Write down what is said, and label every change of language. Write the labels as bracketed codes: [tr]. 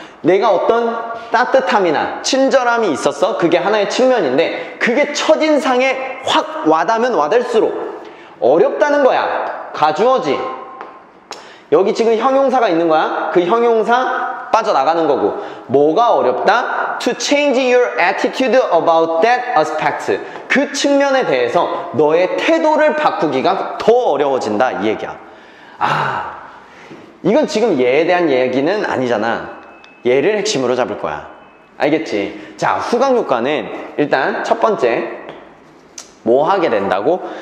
[ko] 내가 어떤 따뜻함이나 친절함이 있었어? 그게 하나의 측면인데 그게 첫인상에 확 와닿으면 와닿을수록 어렵다는 거야. 가주어지. 여기 지금 형용사가 있는 거야. 그 형용사 빠져나가는 거고 뭐가 어렵다? [en] To change your attitude about that aspect. [ko] 그 측면에 대해서 너의 태도를 바꾸기가 더 어려워진다 이 얘기야. 아 이건 지금 얘에 대한 얘기는 아니잖아. 얘를 핵심으로 잡을 거야. 알겠지? 자 후각효과는 일단 첫 번째 뭐 하게 된다고?